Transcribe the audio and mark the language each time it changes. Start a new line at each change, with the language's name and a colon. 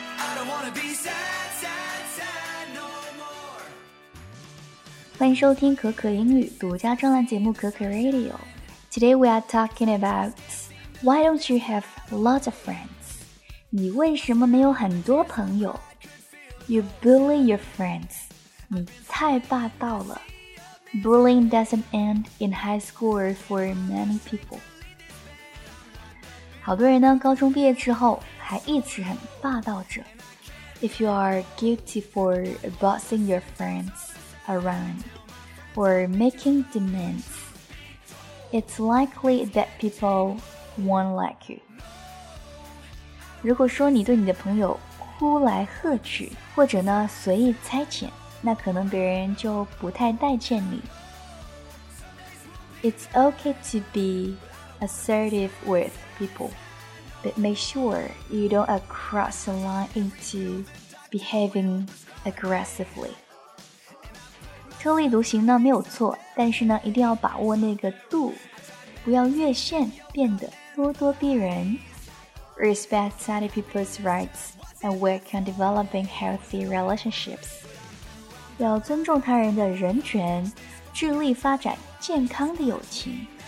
English: I don't wanna be sad, sad, sad no more.
Chinese: 欢迎收听可可英语独家专栏节目可可 Radio.
English: Today we are talking about why don't you have lots of friends?
Chinese: 你为什么没有很多朋友？
English: You bully your friends.
Chinese: 你太霸道了。
English: Bullying doesn't end in high school for many people.
Chinese: 好多人呢，高中毕业之后还一直很霸道着。
English: If you are guilty for bossing your friends around or making demands, it's likely that people won't like you.
Chinese: 如果说你对你的朋友呼来喝去或者呢随意差遣，那可能别人就不太待见你。
English: It's okay to be assertive with people, but make sure you don't cross the line into behaving aggressively.
Chinese: 特立独行呢没有错，但是呢一定要把握那个度，不要越线变得咄咄逼人。
English: Respect other people's rightsAnd work on developing healthy relationships.
Chinese: 要尊重他人的人权，致力发展健康的友情。